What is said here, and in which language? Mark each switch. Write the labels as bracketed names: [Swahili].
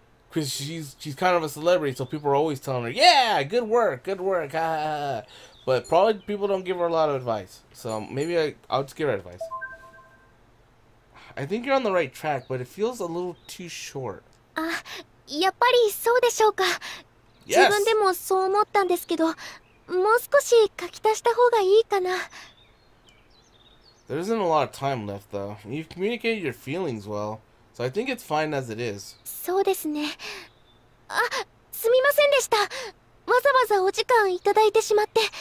[English] Cause she's kind of a celebrity, so people are always telling her, "Yeah, good work." But probably people don't give her a lot of advice. So maybe I'll just give her advice. I think you're on the right track, but it feels a little too short. [Japanese] やっぱりそうでしょうか? [English] Yes. [Japanese] 自分でもそう思ったんですけど、もう少し書き足した方がいいかな。 [English] There isn't a lot of time left, though. You've communicated your feelings well, so I think it's fine as it is. [Japanese] そうですね。あ、すみませんでした。わざわざお時間いただいてしまって。